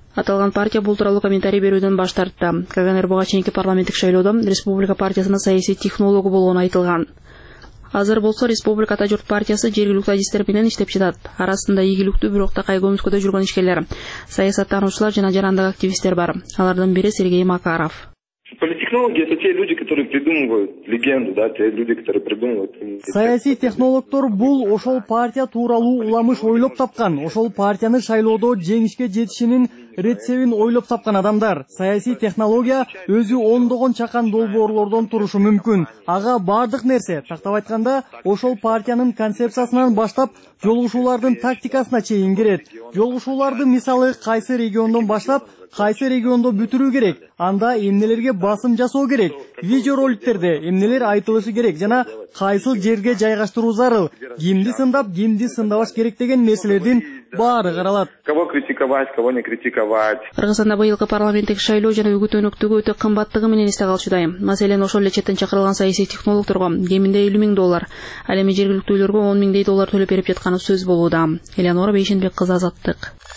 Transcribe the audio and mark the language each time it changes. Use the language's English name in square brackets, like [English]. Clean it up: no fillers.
[Kyrgyz] Аталган партия бул тууралуу комментарий берүүдөн баш тартты. Каганер буга чейинки парламенттик шайлоодо республика партиясынын саясий технологу болгону айтылган. Азыр болсо республика ата журт партиясы жергиликтүү адистер менен иштеп жатат. Арасында ийгиликтүү бирок такай көмүскөдө жүргөн ишкерлер, саясаттануучулар жана жарандык активисттер бар. Алардын бири Сергей Макаров. [Russian] Политтехнологи – это те люди, которые придумывают легенду, да, те люди, которые придумывают. [Kyrgyz] Саяси технологтор бул ошол партия тууралуу уламыш ойлоп тапкан, ошол партияны шайлоодо жеңишке жетишинин рецептин ойлоп тапкан адамдар. Саяси технология өзү ондогон чакан долбоорлордон турушу мүмкүн. Ага бардык нерсе, тактап айтканда, ошол партиянын концепциясынан баштап, жолугушуулардын тактикасына чейин кирет. Жолугушууларды мисалы кайсы региондон баштап, кайсы региондо бүтүрүү керек, анда эмнелерге басым жасоо керек, видеороликтерде эмнелер айтылышы керек жана кайсыл жерге жайгаштыруу зарыл, кимди сындап, кимди сындабаш керек деген нерселердин баары каралат. [Russian] Кого критиковать, кого не критиковать. [Kyrgyz] Кыргызстанда быйылкы парламенттик шайлоо жана үгүт өнөктүгү өтө кымбаттыгы менен эсте калчудайм. Маселен, ошол эле четтен чакырылган саясий технологторго кеминде $50,000, ал эми жергиликтүүлөргө $10,000 төлөп берип жатканы сөз болууда. Эленора Бейшенбек кызы, Азаттык.